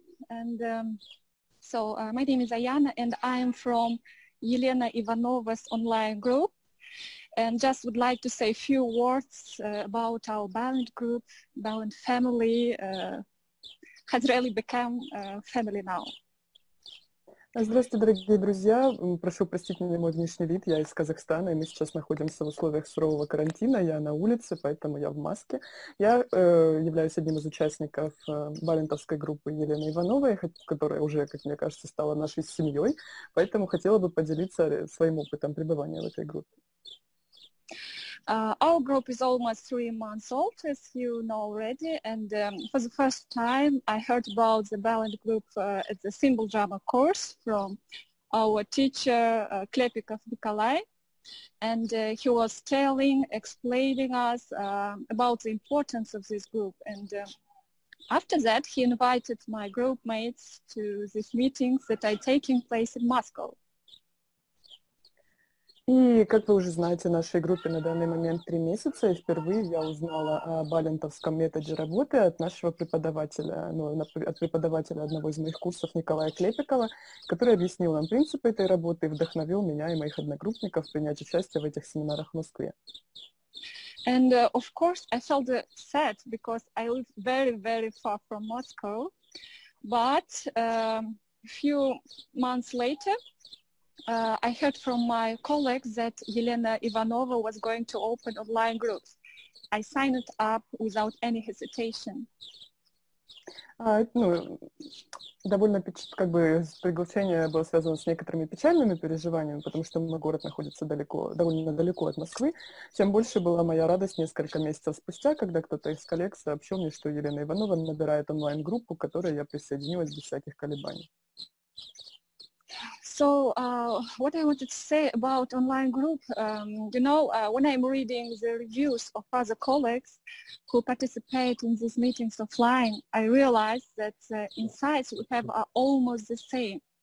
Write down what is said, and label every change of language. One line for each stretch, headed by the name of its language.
English: And my name is Аяна, and I'm from Елена Иванова's online group. And just would like to say a few words about our Balint group, Balint family, has really become family now.
Russian: Здравствуйте, дорогие друзья. Прошу простить меня мой внешний вид. Я из Казахстана, и мы сейчас находимся в условиях сурового карантина. Я на улице, поэтому я в маске. Я являюсь одним из участников балинтовской группы Елены Ивановой, которая уже, как мне кажется, стала нашей семьей. Поэтому хотела бы поделиться своим опытом пребывания в этой группе.
English: Our group is almost 3 months old, as you know already, and for the first time I heard about the Balint group at the symbol drama course from our teacher Klepikov Nikolai, and he was explaining us about the importance of this group, and after that he invited my group mates to this meeting that are taking place in Moscow.
Russian: И, как вы уже знаете, в нашей группе на данный момент 3 месяца, и впервые я узнала о балинтовском методе работы от нашего преподавателя, ну, от преподавателя одного из моих курсов Николая Клепикова, который объяснил нам принципы этой работы и вдохновил меня и моих одногруппников принять участие в этих семинарах в Москве.
English: And, of course, I felt sad, because I live very, very far from Moscow, but a few months later, I heard from my colleagues that Елена Иванова was going to open online groups. I signed up without any hesitation.
Russian: Довольно как бы приглашение было связано с некоторыми печальными переживаниями, потому что мой город находится довольно далеко от Москвы. Тем больше была моя радость несколько месяцев спустя, когда кто-то из коллег сообщил мне, что Елена Иванова набирает онлайн-группу, к которой я присоединилась без всяких колебаний.
English: So what I wanted to say about online group, when I'm reading the reviews of other colleagues who participate in these meetings offline, I realize that the insights we have are almost the same.